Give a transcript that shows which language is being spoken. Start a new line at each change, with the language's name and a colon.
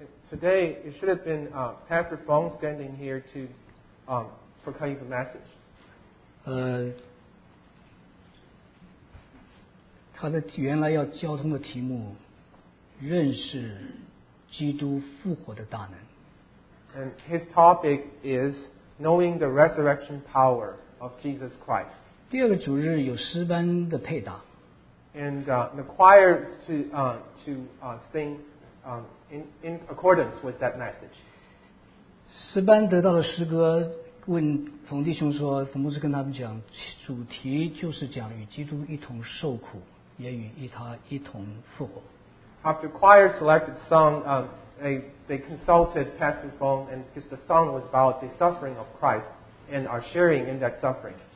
English: Today, it should have been Pastor Fong standing here to proclaim the message.
Chinese: 他的原来要交通的题目 认识基督复活的大能。
English: And his topic is knowing the resurrection power of Jesus Christ.
Chinese: 第二个主日有诗班的配搭。
English: And the choir is to sing in accordance with that message.
Chinese: 诗班得到的诗歌 问冯弟兄说，冯牧师跟他们讲，主题就是讲与基督一同受苦， 也与他一同复活。
English: After choir selected song, they consulted Pastor Fong, and because the song was about the suffering of Christ and our sharing in that suffering.